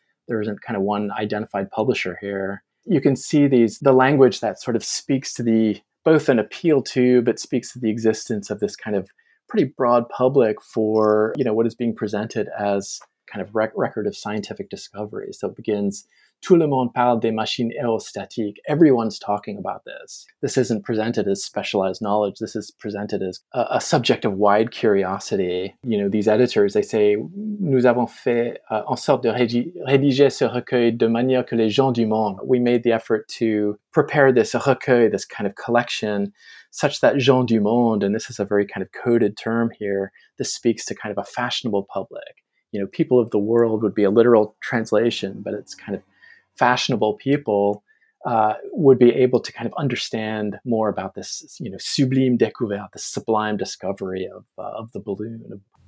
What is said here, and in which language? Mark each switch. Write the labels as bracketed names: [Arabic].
[English] There isn't kind of one identified publisher here. You can see these, the language that sort of speaks to the, both an appeal to, but speaks to the existence of this kind of pretty broad public for, you know, what is being presented as kind of record of scientific discovery. So it begins, [French] tout le monde parle des machines aérostatiques. [English] Everyone's talking about this. This isn't presented as specialized knowledge. This is presented as a subject of wide curiosity. You know, these editors, they say, [French] nous avons fait en sorte de rédiger ce recueil de manière que les gens du monde. [English] We made the effort to prepare this recueil, this kind of collection, such that [French] gens du monde, [English] and this is a very kind of coded term here, this speaks to kind of a fashionable public. You know, people of the world would be a literal translation, but it's kind of fashionable people would be able to kind of understand more about this, you know, [French] sublime découvert, [English] the sublime discovery of the balloon.